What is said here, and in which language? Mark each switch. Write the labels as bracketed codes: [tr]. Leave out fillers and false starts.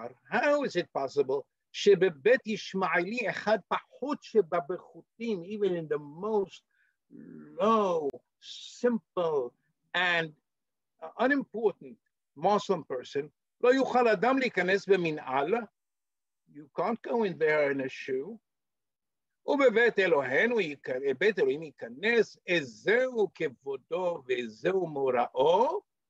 [en] How is it possible [he] שבבית ישמעאלי אחד פחות שבבחותים, [en] even in the most low, simple, and unimportant Muslim person, [he] לא יוכל אדם להיכנס במנעל? [en] You can't go in there in a shoe. [he] ובבית אלוהינו, בית אלוהים ייכנס, איזהו כבודו ואיזהו מוראו?